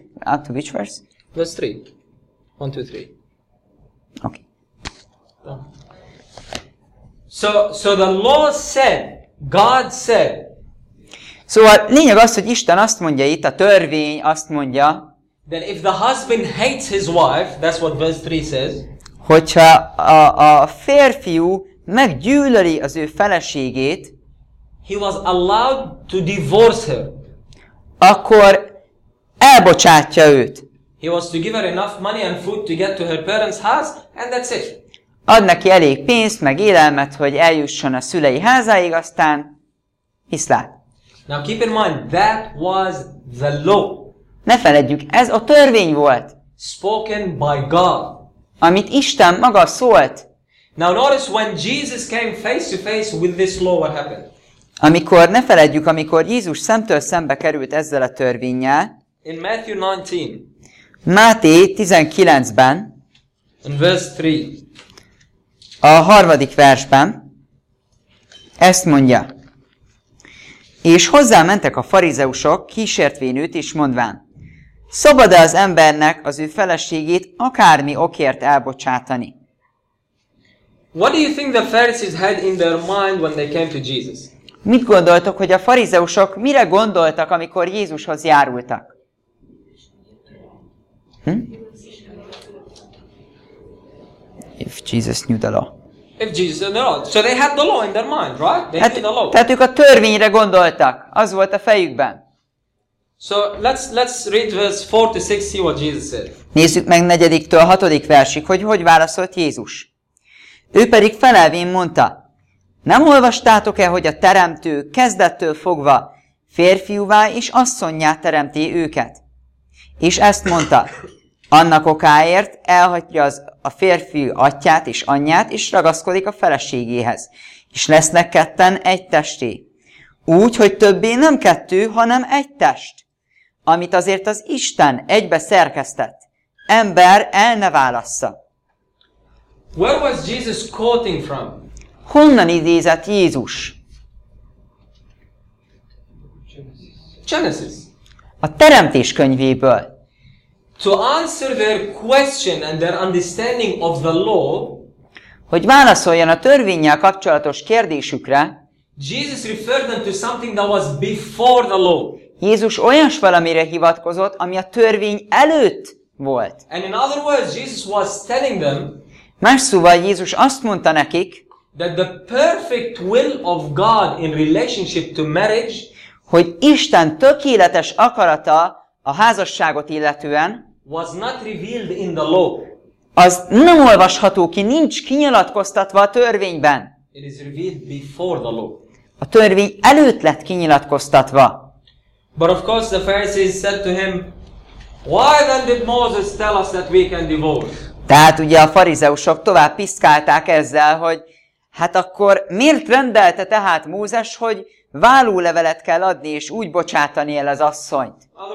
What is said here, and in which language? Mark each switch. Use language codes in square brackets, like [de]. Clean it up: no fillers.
[en] Up to which verse? Verse 3. 1, 2, 3. Okay. So the law said, God said. [hu] Szóval lényeg az, hogy Isten azt mondja itt, a törvény azt mondja. [en] Then if the husband hates his wife, that's what verse 3 says. [hu] Hogyha a férfiú meggyűlöli az ő feleségét. [en] He was allowed to divorce her. [hu] Akkor elbocsátja őt. [en] He was to give her enough money and food to get to her parents' house, and that's it. [hu] Ad neki elég pénzt, meg élelmet, hogy eljusson a szülei házáig, aztán viszlát. [en] Now keep in mind, that was the law. [hu] Ne feledjük, ez a törvény volt. [en] Spoken by God. [hu] Amit Isten maga szólt. [en] Now notice when Jesus came face to face with this law, what happened? [hu] Amikor, ne feledjük, amikor Jézus szemtől szembe került ezzel a törvénnyel. [en] In Matthew 19. [hu] Máté 19-ben. [en] In verse 3. [hu] A harmadik versben. Ezt mondja. És hozzámentek a farizeusok kísértvén őt is mondván. Szabad-e az embernek az ő feleségét akármi okért elbocsátani? [en] What do you think the Pharisees had in their mind when they came to Jesus? [hu] Mit gondoltok, hogy a farizeusok mire gondoltak, amikor Jézushoz járultak? [en] If Jesus knew the law. If Jesus knew the law. So they had the law in their mind, right? They had the law. [hu] Tehát ők a törvényre gondoltak. Az volt a fejükben. [en] So let's read verse 4 to 6, see what Jesus said. [hu] Nézzük meg 4-től 6. versig, hogy válaszolt Jézus. Ő pedig felelvén mondta, nem olvastátok-e, hogy a Teremtő kezdettől fogva férfiúvá és asszonnyá teremti őket? És ezt mondta, annak okáért elhagyja az a férfi atyát és anyját, és ragaszkodik a feleségéhez, és lesznek ketten egy testé. Úgy, hogy többé nem kettő, hanem egy test, amit azért az Isten egybe szerkesztett. Ember el ne válassza. [en] Where was Jesus quoting from? [hu] Honnan idézett Jézus? [en] Genesis. [hu] A Teremtés könyvéből. [en] To answer their question and their understanding of the law, [hu] hogy válaszoljon a törvénnyel kapcsolatos kérdésükre, [en] Jesus referred them to something that was before the law. [hu] Jézus olyas valamire hivatkozott, ami a törvény előtt volt. [en] And in other words, Jesus was telling them, [hu] más szóval Jézus azt mondta nekik, [en] that the perfect will of God in relationship to marriage, [hu] hogy Isten tökéletes akarata a házasságot illetően, [en] was not revealed in the law. [hu] Az nem olvasható ki, nincs kinyilatkoztatva a törvényben. [en] It is revealed before the law. [hu] A törvény előtt lett kinyilatkoztatva. [en] But of course the Pharisees said to him, why then did Moses tell us that we can divorce? [hu] Tehát ugye a farizeusok tovább piszkálták ezzel, hogy hát akkor miért rendelte tehát Mózes, hogy vállólevelet kell adni, és úgy bocsátani el az asszonyt?